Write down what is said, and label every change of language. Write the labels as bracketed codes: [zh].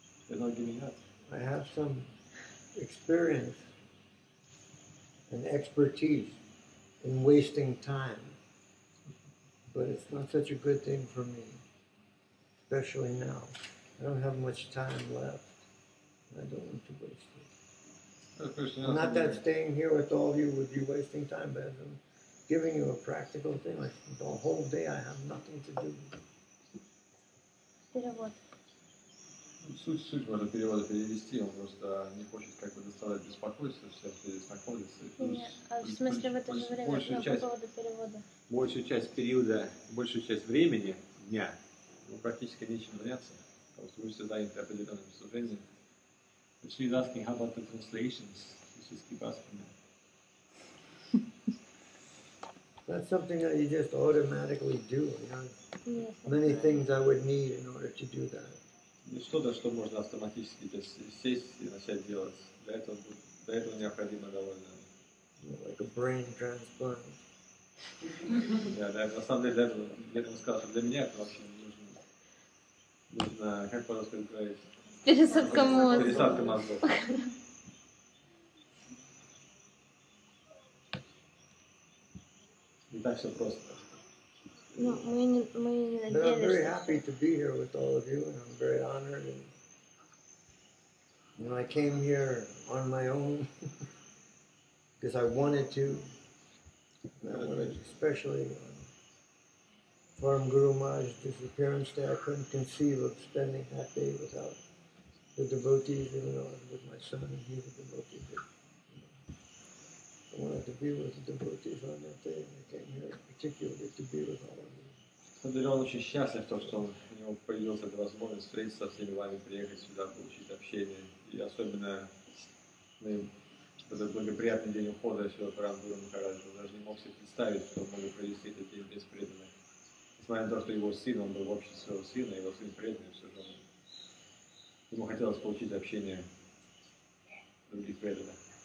[en] I have some experience and expertise in wasting time, but it's not such a good thing for me, especially now. I don't have much time left, and I don't want to waste it. Not that staying here with all of you would be wasting time, but I'm giving you a practical thing. Like the whole day I have nothing to do. [ru] Перевод. Суть можно перевода перевести, он просто не хочет как бы доставлять беспокойство, все, кто здесь находится. Нет, в смысле в это же время, большую часть, по поводу перевода? Большую часть периода, большую часть времени, дня, ему практически нечем заняться, потому что вы все заняты определенным служением. [en] But she's asking, how about the translations? Let's just keep asking that. That's something that you just automatically do. Many things I would need in order to do that. [ru] Что-то, что можно автоматически сесть и начать делать. Для этого необходимо довольно. [en] Like a brain transplant. [ru] Да, на самом деле для этого сказал, что для меня это вообще нужно как по-русски говорить. Пересадка мозга. Пересадка мозга. Не так все просто. [en] No, [ru] мы не надеялись. [en] But I'm very happy to be here with all of you, and I'm very honored. And, I came here on my own because I wanted to. And I wanted, especially from Guru Maharaj's disappearance day, I couldn't conceive of spending that day without the devotees, even though I was with my son and he was a devotee. But, I wanted to be with the devotees on that day, and I came here particularly to be with all of you. [ru] Он очень счастлив в том, что у него появилась эта возможность встретиться со всеми вами, приехать сюда, получить общение. И особенно этот благоприятный день ухода сюда в Рангуру Махараджа. Он даже не мог себе представить, что он мог провести этот день без преданных. Несмотря на то, что его сын, он был в обществе своего сына, его сын преданный, все же ему хотелось получить общение других преданных.